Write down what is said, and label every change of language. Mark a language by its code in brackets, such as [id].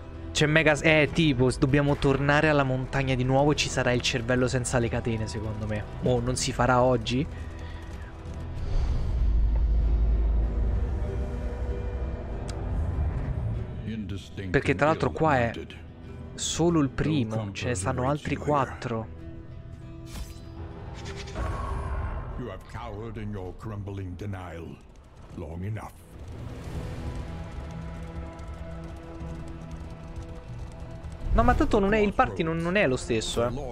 [it] C'è mega... tipo, dobbiamo tornare alla montagna di nuovo e ci sarà il cervello senza le catene, secondo me. Oh, non si farà oggi? Perché tra l'altro qua è solo il primo, ce ne stanno altri 4. [en] You have cowered in your crumbling denial long enough. [it] No, ma tanto non è, il party non è lo stesso, eh.